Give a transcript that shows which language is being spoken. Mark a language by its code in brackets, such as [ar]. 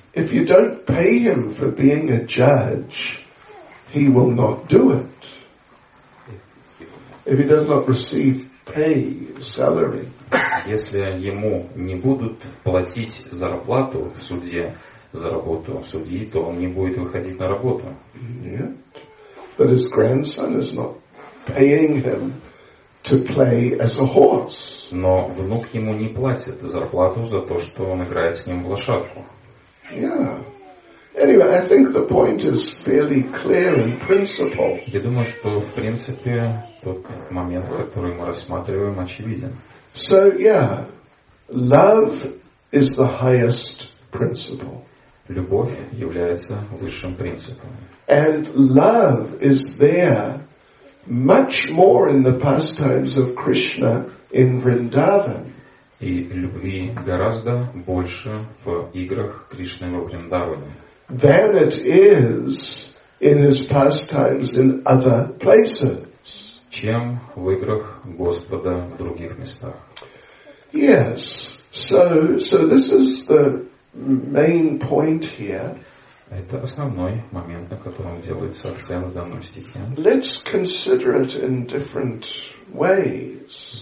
[en] If you don't pay him for being a judge, he will not do it. If he does not receive pay, salary. [ru] Если ему не будут платить зарплату в суде за работу судьи, то он не будет выходить на работу. Нет. [en] But his grandson is not paying him to play as a horse. [ru] Но внук ему не платит зарплату за то, что он играет с ним в лошадку. [en] Yeah. Anyway, I think the point is fairly clear in principle. [ru] Я думаю, что в принципе тот момент, который мы рассматриваем, очевиден. [en] So, yeah, love is the highest principle. [ru] Любовь является высшим принципом. [en] And love is there much more in the pastimes of Krishna in Vrindavan. [ru] И любви гораздо больше в играх Кришны во Вриндаване. [en] Than it is in his pastimes in other places. [ru] Чем в играх Господа в других местах. [en] Yes. So this is the main point here. [ru] Это основной момент, на котором делается акцент в данном стихе. [en] Let's consider it in different ways.